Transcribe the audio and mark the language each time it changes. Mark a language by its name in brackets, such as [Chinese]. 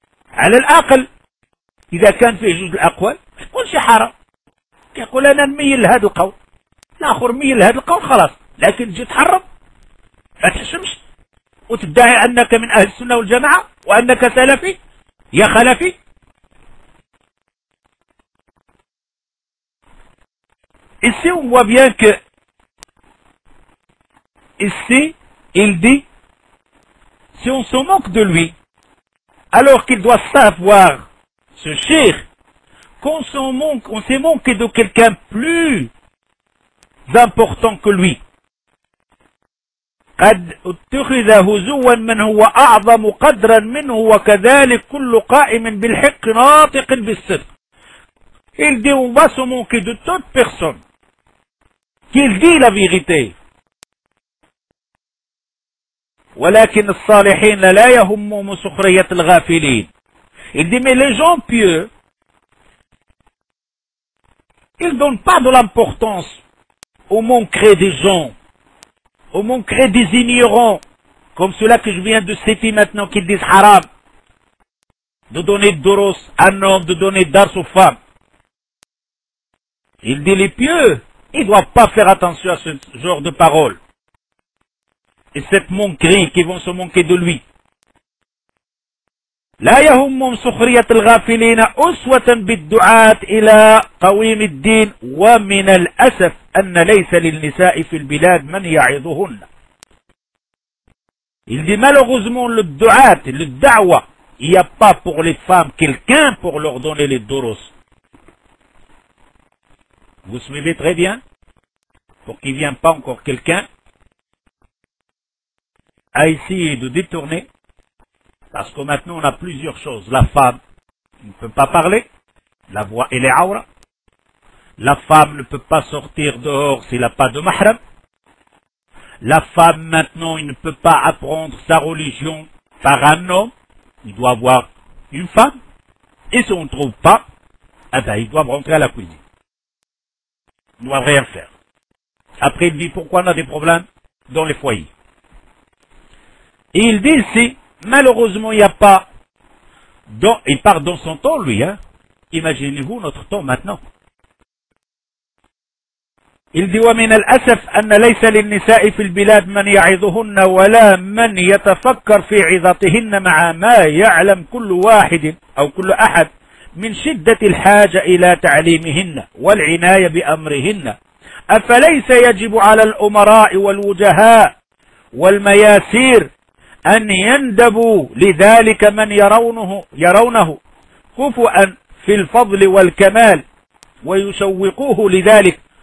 [Arabic] على الأقل إذا كان فيه جوج الأقوال ما تقولش حرام، كيقول أنا نميل لهذا القول، الآخر ميل لهذا القول خلاص، لكن تجي تحرم ما تحشمش وتدعي أنك من أهل السنة والجماعة وأنك سلفي يا خلفي. [French] Ici, on voit bien que, ici, il dit, si on se moque de lui, alors qu'il doit savoir, ce cheikh, qu'on s'est moqué de quelqu'un plus important que lui. [Arabic] قد اتخذه زوا من هو أعظم قدرا منه وكذلك كل قائم بالحق ناطق بالصدق. [French] Il dit, on va se moquer de toute personne qu'il dit la vérité. [Arabic] ولكن الصالحين لا يهمهم سخرية الغافلين. [French] Il dit, mais les gens pieux, ils donnent pas de l'importance au moncré des gens, au moncré des ignorants, comme ceux-là que je viens de citer maintenant, qui disent haram, de donner d'oros à un homme, de donner d'ars aux femmes. Il dit, les pieux, ils ne doivent pas faire attention à ce genre de paroles. Et cette moquerie qui vont se moquer de lui. [Arabic] لا يهمهم سخرية الغافلين أسوة بالدعاة إلى قويم الدين ومن الأسف أن ليس للنساء في البلاد من يعظهن. [French] Il dit malheureusement le dua, le da'wa, il n'y a pas pour les femmes quelqu'un pour leur donner les doros. Vous suivez très bien, pour qu'il ne vienne pas encore quelqu'un à essayer de détourner, parce que maintenant on a plusieurs choses. La femme ne peut pas parler, la voix elle est aura. La femme ne peut pas sortir dehors s'il n'a pas de mahram. La femme maintenant, il ne peut pas apprendre sa religion par un homme, il doit avoir une femme, et si on ne trouve pas, eh ben, ils doivent rentrer à la cuisine. Ne doit rien faire. Après, il dit pourquoi on a des problèmes dans les foyers. Et il dit si malheureusement il n'y a pas, dans, il part dans son temps lui, hein. Imaginez-vous notre temps maintenant. Il dit [Arabic] ومن الأسف أن ليس للنساء في البلاد من يعظهن ولا من يتفكر في عظتهن مع ما يعلم كل واحد أو كل أحد من شدة الحاجة إلى تعليمهن والعناية بأمرهن، أفليس يجب على الأمراء والوجهاء والمياسير أن يندبوا لذلك من يرونه كفؤا في الفضل والكمال ويشوقوه لذلك